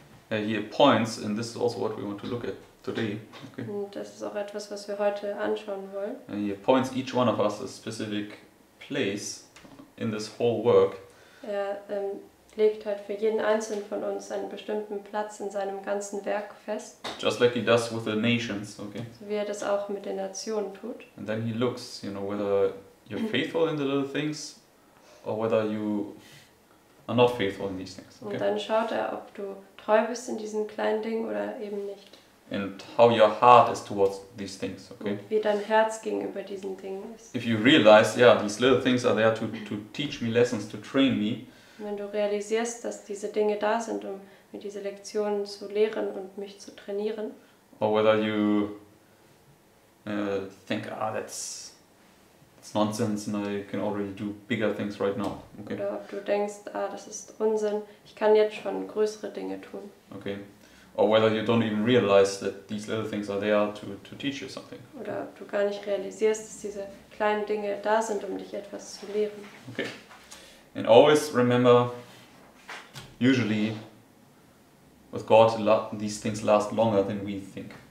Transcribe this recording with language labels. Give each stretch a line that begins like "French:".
English: He appoints, and this is also what we want to look at today. Okay.
German: Und das ist auch etwas, was wir heute anschauen wollen.
English: And he appoints each one of us a specific place in this whole work.
German: Er legt halt für jeden einzelnen von uns einen bestimmten Platz in seinem ganzen Werk fest.
English: Just like he does with the nations, okay.
German: So wie er das auch mit den Nationen tut.
English: And then he looks, you know, whether you're faithful in the little things or whether you are not faithful in these things. Okay?
German: Und dann schaut er, ob du treu bist in diesen kleinen Dingen oder eben nicht.
English: And how your heart is towards these things, okay?
German: Und wie dein Herz gegenüber diesen Dingen ist.
English: If you realize, yeah, these little things are there to teach me lessons, to train me.
German: Wenn du realisierst, dass diese Dinge da sind, um mir diese Lektionen zu lehren und mich zu trainieren.
English: Or whether you think, that's nonsense and I can already do bigger things right now. Okay.
German: Oder ob du denkst, das ist Unsinn, ich kann jetzt schon größere Dinge tun.
English: Okay. Or whether you don't even realize that these little things are there to teach you something.
German: Oder ob du gar nicht realisierst, dass diese kleinen Dinge da sind, um dich etwas zu lehren.
English: Okay. And always remember, usually, with God, these things last longer than we think.